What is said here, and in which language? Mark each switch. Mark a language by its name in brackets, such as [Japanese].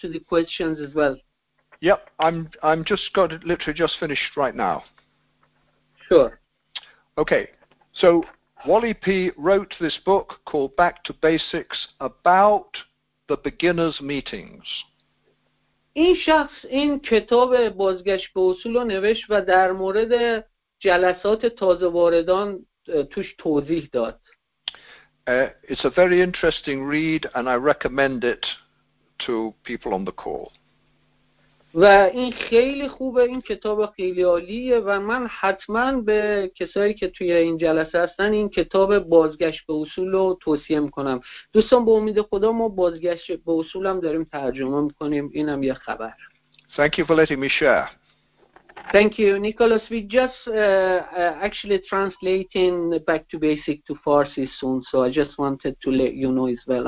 [English] get to the questions as well. Yep, I'm just got it literally just finished right now. Sure. Okay, so Wally P. wrote this book called Back to Basics about the beginner's meetings. [Persian] این شخص این کتاب بازگشت به اصول رو نوشت و در مورد جلسات تازه واردان توش توضیح داد. [English] It's a very interesting read and I recommend it to people on the call. [Persian] و این خیلی خوبه، این کتاب خیلی عالیه و من حتما به کسایی که توی این جلسه هستن این کتاب بازگشت به اصول رو توصیه میکنم. دوستان به امید خدا ما بازگشت به اصول هم داریم ترجمه میکنیم، اینم یه خبر. [English] Thank you for letting me share. Thank you, Nicholas. We just actually translating Back to Basic to Farsi soon, so I just wanted to let you know as well.